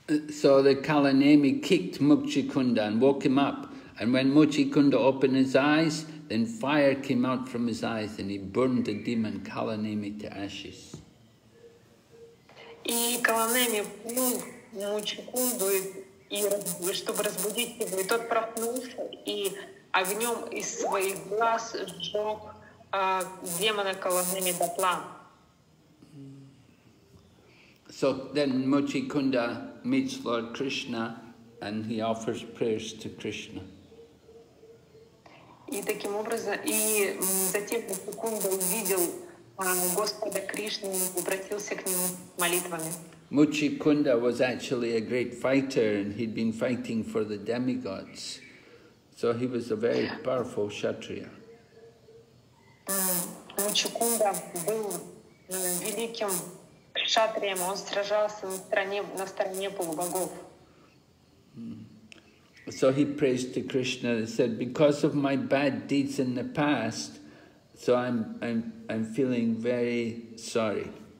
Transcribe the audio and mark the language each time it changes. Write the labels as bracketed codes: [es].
[en] So the Kalanemi kicked Mukchikunda and woke him up, and when Mukchikunda opened his eyes, then fire came out from his eyes, and he burned the demon Kalanemi to ashes. [ru] И колонами, ну, секунду, и чтобы разбудить его. И тот проснулся, и огнем из своих глаз сжег демона колонами дотла. [en] So then Muchikunda meets Lord Krishna and he offers prayers to Krishna. [ru] И таким образом, и затем Muchikunda увидел Господа Кришну и обратился к нему молитвами. [en] Muchikunda was actually a great fighter and he'd been fighting for the demigods. So he was a very powerful kshatriya. [ru] Muchikunda был великим кшатрием, он сражался на стороне полубогов. [en] So he prays to Krishna and said, because of my bad deeds in the past, so I'm feeling very sorry.